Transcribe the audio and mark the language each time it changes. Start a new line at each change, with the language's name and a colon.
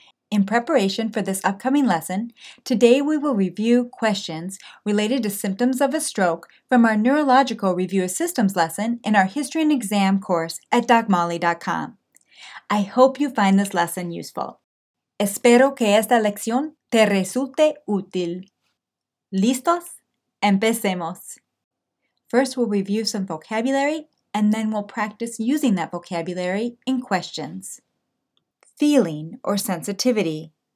English: In preparation for this upcoming lesson, today we will review questions related to symptoms of a stroke from our Neurological Review of Systems lesson in our History and Exam course at DocMolly.com. I hope you find this lesson useful.
Spanish: Espero que esta lección te resulte útil. ¿Listos? Empecemos.
English: First, we'll review some vocabulary, and then we'll practice using that vocabulary in questions. Feeling or sensitivity.